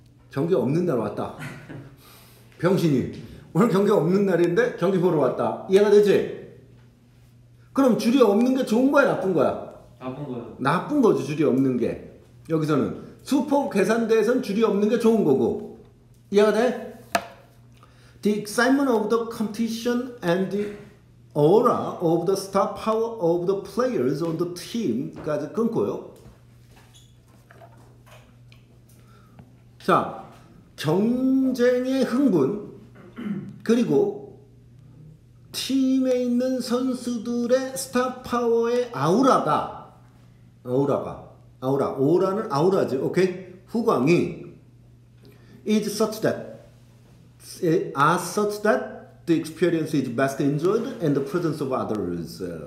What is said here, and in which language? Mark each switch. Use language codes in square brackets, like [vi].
[ko] 경기 없는 날 왔다. 병신이 오늘 경기 없는 날인데 경기 보러 왔다. 이해가 되지? 그럼 줄이 없는 게 좋은 거야 나쁜 거야? 나쁜 거야. 나쁜 거지 줄이 없는 게. 여기서는 수포 계산대에선 줄이 없는 게 좋은 거고. 이해가 돼? [en] The excitement of the competition and the aura of the star power of the players on the team까지 끊고요. [ko] 자, 경쟁의 흥분 그리고 팀에 있는 선수들의 스타 파워의 아우라가 오라는 아우라지, 오케이? [en] 후광이 is such that the experience is best enjoyed and the presence of others.